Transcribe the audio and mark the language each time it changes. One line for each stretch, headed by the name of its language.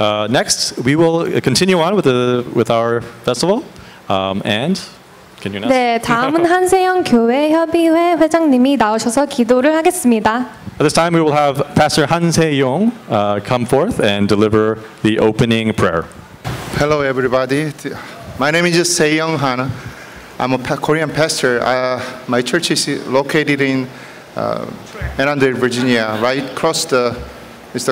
English: Next, we will continue on with, with our festival. And can you announce?
Korean: 네, 다음은 한세영 교회협의회 회장님이 나오셔서 기도를 하겠습니다.
English: At this time, we will have Pastor Han Se-young come forth and deliver the opening prayer. Hello, everybody. My name is Se-young Han. I'm a Korean pastor. My church is located in Ann Arbor, Virginia, right across the Mr.